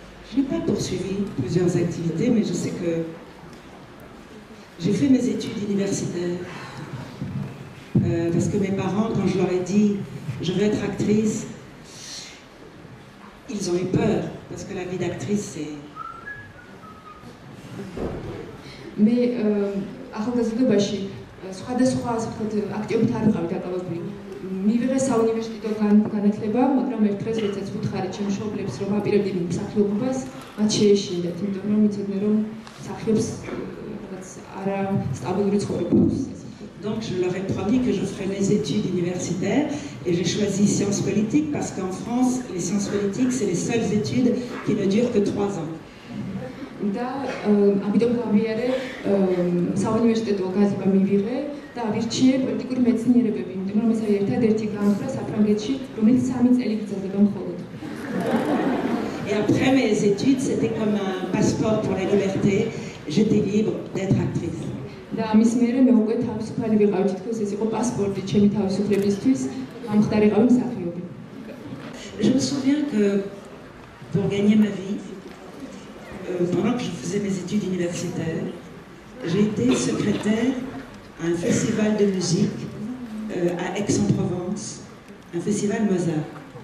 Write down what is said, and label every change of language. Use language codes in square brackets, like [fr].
[fr] J'ai pas poursuivi plusieurs activités, mais je sais que j'ai fait mes études universitaires parce que mes parents, quand je leur ai dit je veux être actrice, ils ont eu peur parce que la vie d'actrice c'est... Mais [ka] ახალგაზრდობაში სხვადასხვა ასეთ აქტიობით არ ვიყავი დაკავებული. მივიღე საუნივერსიტეტო განათლება, მაგრამ ერთხელ როდესაც ვუთხარი ჩემშობლებს, რომ აპირებდი მსახიობობას, მათ შეეშინდათ, იმიტომ რომ იცოდნენ, რომ მსახიობს რაღაც არა სტაბილური ცხოვრება აქვს. [fr] Donc je leur ai promis que je ferai mes études universitaires et j'ai choisi sciences politiques parce qu'en France, les sciences politiques, c'est les seules études qui ne durent que 3 ans. [ka] Da ამიტომ გავიარე საუნივერსიტეტო გაზრდა მივიღე და ვირჩიე პოლიტიკური მეცნიერებები, იმიტომ რომ ეს არის ერთადერთი განხრა საფრანგეთში, რომელიც 3 წელი გრძელდება მხოლოდ. [fr] Et après mes études, c'était comme un passeport pour la liberté, j'étais libre d'être actrice. [ka] Da ამის მერე მე უკვე თავისუფალი ვიყავი, თითქოს ეს იყო პასპორტი ჩემი თავისუფლებისთვის, გამხდარიყავი მსახიობი. [fr] Je me souviens que pour gagner ma vie, pendant que je faisais mes études universitaires, j'ai été secrétaire à un festival de musique à Aix-en-Provence, un festival Mozart.